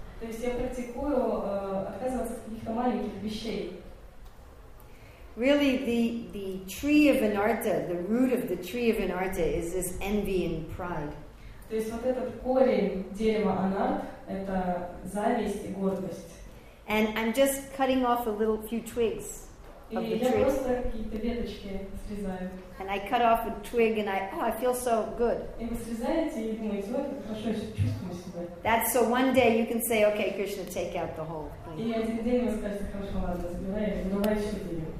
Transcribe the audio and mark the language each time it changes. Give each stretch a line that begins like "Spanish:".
English: Really, the tree of anartha, the root of the tree of anartha, is this envy and pride.
Russian: То есть вот этот корень дерева анарт это зависть и гордость.
English: And I'm just cutting off a little few twigs of the tree.
Russian: И я просто какие-то веточки срезаю.
English: And I cut off a twig and I feel so good.
Russian: И вы срезаете и думаете, ой, как хорошо я чувствую себя.
English: That's so one day you can say, okay, Krishna, take out the whole thing.
Russian: И один день вы скажете, хорошо, ладно, забирай, давай еще дерево.